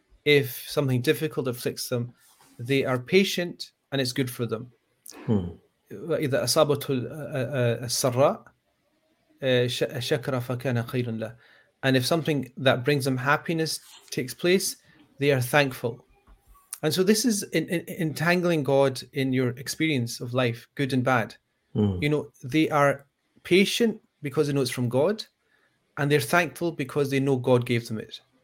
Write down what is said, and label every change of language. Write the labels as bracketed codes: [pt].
[en] If something difficult afflicts them, they are patient and it's good for them. [ar] إذا أصابته السراء شكر فكان خيرا له. [en] And if something that brings them happiness takes place, they are thankful. And so this is entangling God in your experience of life, good and bad. You know, they are patient because they know it's from God, and they're thankful because they know God gave them it.